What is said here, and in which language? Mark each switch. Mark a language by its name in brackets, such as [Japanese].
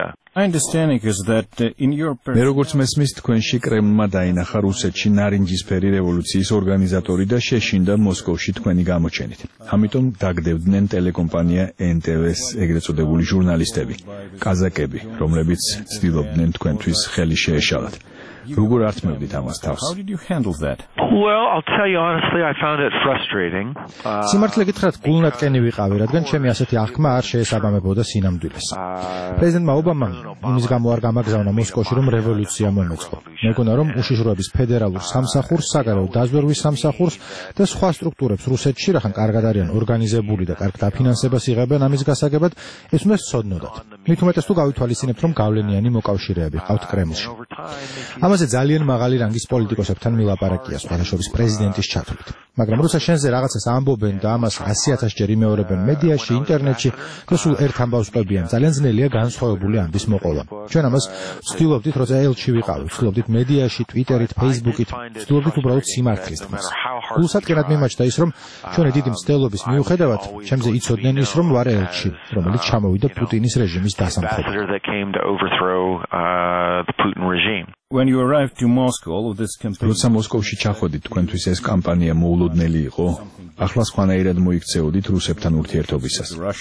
[Georgian] მე როგორც მესმის, თქვენში კრემლმა დაინახა რუსეთში ნარინჯისფერი რევოლუციის ორგანიზატორი და შეშინდა მოსკოვში თქვენი გამოჩენით. ამიტომ დაგდევდნენ ტელეკომპანია NTV-ს ეგრეთ წოდებული ჟურნალისტები, კაზაკები, რომლებიც ცდილობდნენ თქვენთვის ხელი შეეშალათ. როგორ ართმევდით ამას თავს? [English] Well, I'll tell you honestly, I found it frustrating. [Georgian] სიმართლე გითხრათ, გულნატკენი ვიყავი, რადგან ჩემი ასეთი აღქმა არ შეესაბამებოდა სინამდვილეს. პრეზიდენტმა ობამამ იმის გამო არ გამაგზავნა მოსკოვში, რომ რევოლუცია მომეწყო. მეკონა, რომ უშიშროების ფედერალურ სამსახურს, საგარეო დაზვერვის სამსახურს და სხვა სტრუქტურებს რუსეთში, რახან კარგად არიან ორგანიზებული და კარგ დაფინანსებას იღებენ ამის გასაგებად, ეს უნდა სწოდნოდათ. მით უმეტეს თუ გავითვალისწინებთ, რომ გავლენიანი მოკავშირეები ყავთ კრემლში. ამაზე ძალიან მაღალი რანგის პოლიტიკოსებთან მილაპარაკია სხვადასხვა პრეზიდენტის ჩათვლით. მაგრამ რუსა შენზე რაღაცას ამბობენ და ამას 100,000 ჯერ იმეორებენ მედიაში, ინტერნეტში, და სულ ერთ ამბავს ყვებიან, ძალიან ძნელია განსხვავებული ამბის მოყოლა. ჩვენ ამას ვცდილობდით, როცა ელჩი ვიყავი, ვცდილობდით მედიაში, ტვიტერით, ფეისბუქით, ვცდილობდით უბრალოდ სიმართლის თქმას. რუსატკენად მიმაჩნდა ის, რომ ჩვენი დიდი მცდელობის მიუხედავად, ჩემზე იცოდნენ ის, რომ ვარ ელჩი, რომელიც ჩამოვიდა პუტინის რეჟიმის დასამხობად. [English] When you arrived to Moscow, all of this campaign. [Georgian] როცა მოსკოვში ჩახვედით, თქვენთვის ეს კამპანია მოულოდნელი იყო. ახლა სხვანაირად მოიქცეოდით რუსებთან ურთიერთობისას.